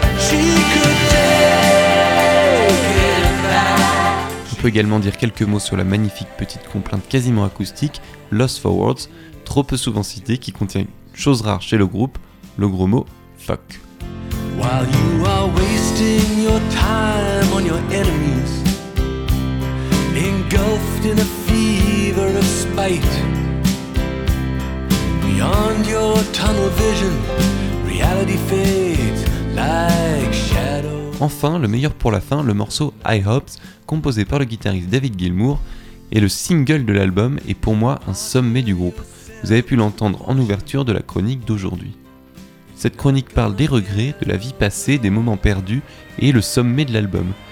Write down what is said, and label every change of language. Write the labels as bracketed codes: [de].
[en] She could take it back. [fr] peut également dire quelques mots sur la magnifique petite complainte quasiment acoustique Lost for Words, trop peu souvent citée, qui contient une chose rare chez le groupe, le gros mot fuck. [en] While you are wasting your time on your enemies, engulfed in a fever of spite, beyond your tunnel vision, reality fades like shadow. [fr] Enfin, le meilleur pour la fin, le morceau High Hopes, composé par le guitariste David Gilmour, est le single de l'album et pour moi un sommet du groupe. Vous avez pu l'entendre en ouverture de la chronique d'aujourd'hui. Cette chronique parle des regrets, de la vie passée, des moments perdus et le sommet de l'album.